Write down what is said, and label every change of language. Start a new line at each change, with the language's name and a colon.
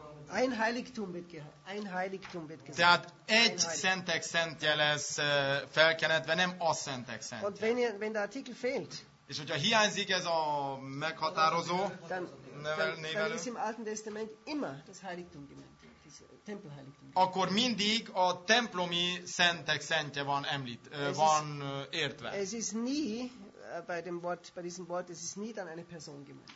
German: Ein Heiligtum wird gehört. Ein Heiligtum wird gesagt.
Hungarian: Tehát egy szentek szentje lesz felkenetve, nem a szentek szentje.
German: Und wenn der Artikel fehlt.
Hungarian: És hogyha hiányzik ez a meghatározó,
German: dann ist im Alten Testament immer das Heiligtum gemeint, das Tempelheiligtum.
Hungarian: Akkor mindig a templomi szentek szentje van értve.
German: Es ist nie bei diesem Wort, es ist nie dann eine Person gemeint.